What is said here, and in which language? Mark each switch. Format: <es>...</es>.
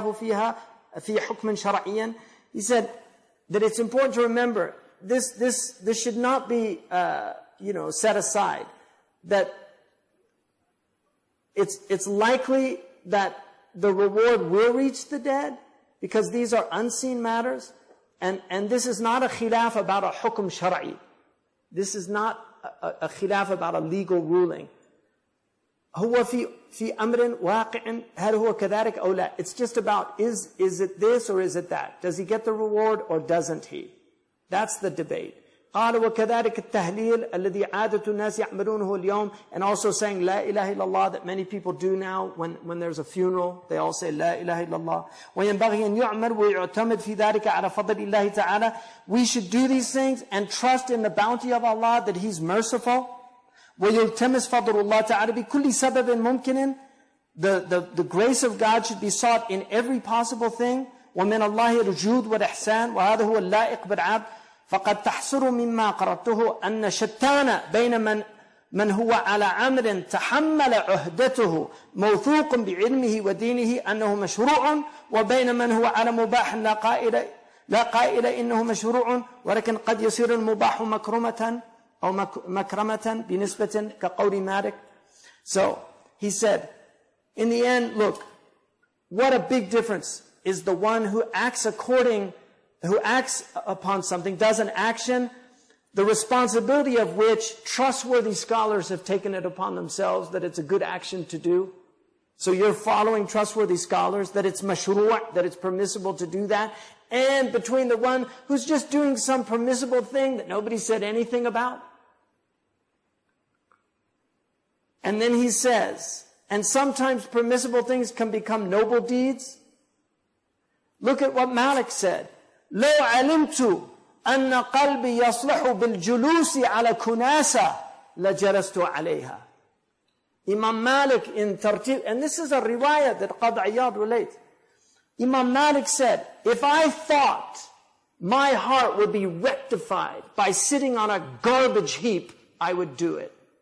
<en>He said that it's important to remember this should not be set aside, that it's likely that the reward will reach the dead because these are unseen matters, and this is not a khilaf about a hukm shar'i. This is not a khilaf about a legal ruling.</en> <ar>هو في أمر واقع هل هو كذلك أو لا.</ar> <en>It's just about is it this or is it that? Does he get the reward or doesn't he? That's the debate.</en> <ar>قال وكذلك التهليل الذي عادة الناس يعملونه اليوم,</ar> <en>and also saying</en> <ar>لا إله إلا الله</ar> <en>that many people do now when there's a funeral, they all say لا إله إلا الله.</en> <ar>وينبغي أن يعمل ويعتمد في ذلك على فضل الله تعالى.</ar> <en>We should do these things and trust in the bounty of Allah that He's merciful.</en> <ar>ويلتمس فضل الله تعالى بكل سبب ممكن.</ar> <en>The grace of God should be sought in every possible thing.</en> <ar>ومن الله الجود والإحسان وهذا هو اللائق بالعبد. فقد تحصر مما قرأته أن شتان بين من هو على عمل تحمل عهدته موثوق بعلمه ودينه أنه مشروع, وبين من هو على مباح لا قائل إنه مشروع, ولكن قد يصير المباح مكرمة أو مكرمة بنسبة كقول مالك.</ar> <en>So he said, in the end, look, what a big difference is the one who acts according, who acts upon something, does an action, the responsibility of which trustworthy scholars have taken it upon themselves that it's a good action to do. So you're following trustworthy scholars that it's mashru', that it's permissible to do that. And between the one who's just doing some permissible thing that nobody said anything about. And then he says, and sometimes permissible things can become noble deeds. Look at what Malik said.</en> <ar>لو علمت أن قلبي يصلح بالجلوس على كناسة لجلست عليها.</ar> <en>Imam Malik in Tartib, and this is a riwayah that Qad Iyad relates. Imam Malik said, if I thought my heart would be rectified by sitting on a garbage heap, I would do it.</en>